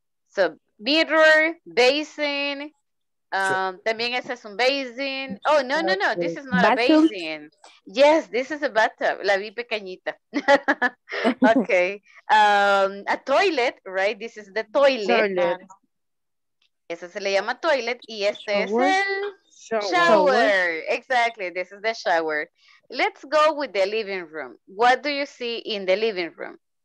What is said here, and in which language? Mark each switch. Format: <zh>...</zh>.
<es>So, mirror, basin, también ese es un basin.</es> <en>Oh, no, no, no, this is not a basin. Yes, this is a bathtub,</en> <es>la vi pequeñita.</es> <en>Okay, a toilet, right? This is the toilet.</en> <es>Ese se le llama toilet y este es el shower.</es> <en>Exactly, this is the shower. Let's go with the living room. What do you see in the living room?</en>